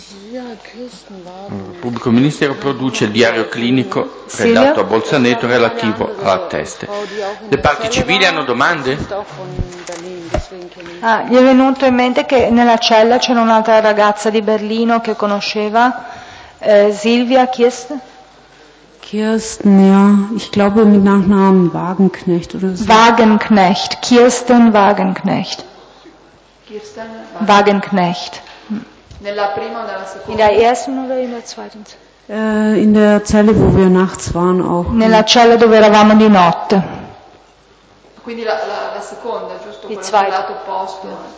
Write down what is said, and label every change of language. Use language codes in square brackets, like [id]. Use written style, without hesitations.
[it] Il pubblico ministero produce il diario clinico redatto a Bolzaneto relativo alla teste. Le parti civili hanno domande? Ah, gli è venuto in mente che nella cella c'era un'altra ragazza di Berlino che conosceva, Silvia Kirsten. [de] Kirsten, ja, ich glaube mit Nachnamen Wagenknecht oder so. Wagenknecht, Kirsten Wagenknecht. Kirsten Wagenknecht. [it] Nella prima o nella seconda? [de] In der ersten oder in der zweiten? In der Zelle, wo wir nachts waren auch. [it] Nella cella dove eravamo di notte. Quindi la seconda, giusto? Quella sul lato opposto.